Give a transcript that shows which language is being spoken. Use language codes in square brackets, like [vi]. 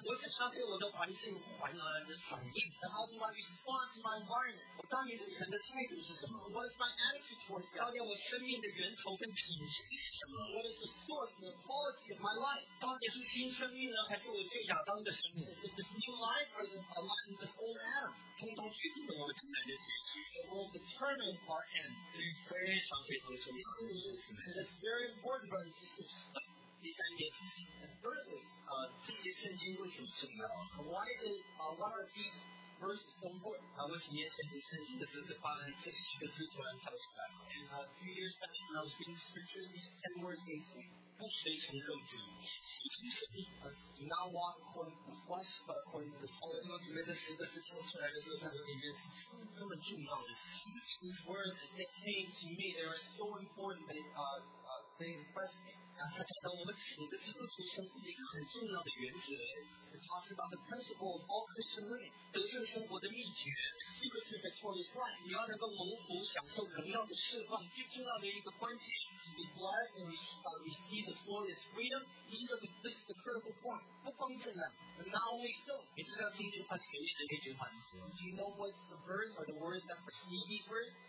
[zh] 我是消费我的环境环的反应。 [en] And how do I respond to my environment? [zh] 我当年对神的态度是什么？ [en] What is my attitude towards God? [zh] 当年我生命的源头跟品质是什么？ [en] What is the source and the quality of my life? [zh] 当年是新生命呢，还是我最亚当的生命？ [en] Is it this new life or the life of this old Adam? [zh] 通通决定了我们今天的结局。 [en] It will determine our end. [zh] 对，非常非常的重要。 [en] And it's very important for us to see. [zh] 第三件事情。 [en] And thirdly, [zh] 这些圣经为什么重要？ [en] Why is what are these verses so important? [zh] 我几年前读圣经的时候，发现这十个字突然跳出来。 [en] And a few years back when I was reading the scriptures, these 10 words came to me. [zh] 不随从肉体，随从圣灵。 [en] Do not walk according to the flesh, but according to the spirit. [zh] 我准备这十个字跳出来的时候，在我里面是这么重要的事情。 [en] These words, they came to me. They are so important. They impressed me. [zh] 他讲到我们整个基督徒生活的一个很重要的原则。 [en] It talks about the principle of all Christian living. [zh] 得胜生活的秘诀。 [en] Secret to victorious life. [zh] 你要能够蒙福，享受荣耀的释放，最重要的一个关键。 [en] To be blessed and receive the glorious freedom. This is the critical point. [zh] 不光这样。 [en] But not only so. [zh] 你知道今天他前面的那句话是什么？ [en] Do you know what's the verse or the words that precede these words?